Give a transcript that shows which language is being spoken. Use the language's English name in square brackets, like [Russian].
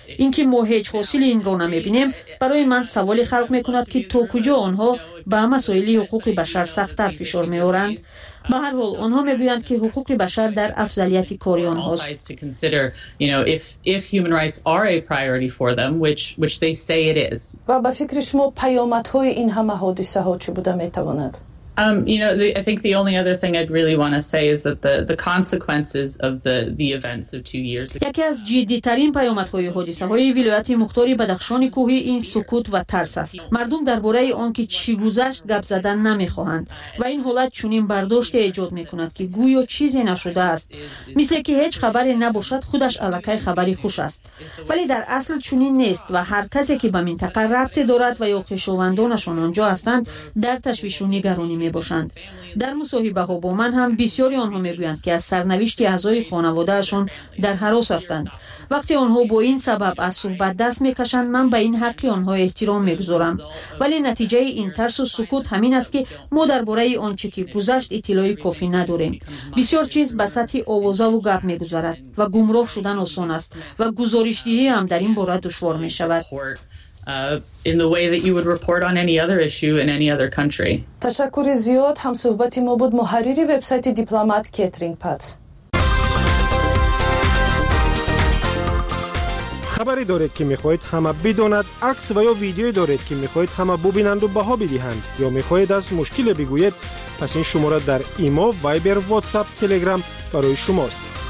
[Tajik] اینکه ما هیچ حاصل این را نمی بینیم برای من سوالی خلق می کند که تو کجا آنها به مسائل حقوق بشر سخت‌تر فشار می آورند. به هر حال آنها می گویند که حقوق بشر در افضلیت کاری آنهاست. و به فکر شما پیامت های این همه حادثه ها چه بوده می تواند؟ [English] I think the only other thing I'd really want to say is that the consequences of the events of 2 years ago. [Tajik] یکی از جدی‌ترین پیامدهای حادثه‌های ولایت مختاری بدخشان کوهی این سکوت و ترس است. مردم درباره آن که چی گذشت گپ زدن نمی‌خواهند و این حالت چنین برداشت ایجاد می‌کند که گویا چیزی نشده است. مثل که هیچ خبری نباشد خودش الکی خبری خوش است. ولی در اصل چنین نیست و هر کسی که به منطقه رابطه دارد و یا خویشاوندانشان آنجا هستند در تشویش و نگرانی می باشند. در مصاحبه ها با من هم بسیاری آنها می گویند که از سرنوشت اعضای خانواده اشان در هراس هستند. وقتی آنها با این سبب از صحبت دست می کشند من به این حق آنها احترام می گذارم. ولی نتیجه این ترس و سکوت همین است که ما در باره آنچه که گذشت اطلاع کافی نداریم. بسیار چیز به سطح آوازه و گپ می گذارد و گمراه شدن آسان است و گزارش دهی هم در این باره دشوار می شود. [English] In the way that you would report on any other issue in any other country. [Tajik] تشکر زیاد. هم صحبتی ما بود محرری وبسایت دیپلمات کترین پات. خبری دارید که میخواهید همه بدانند؟ عکس و یا ویدیویی دارید که میخواهید همه ببینند و بها بدهند یا میخواهید از مشکل بگویید؟ پس این شماره در ایمو، وایبر، واتساپ، تلگرام برای شماست.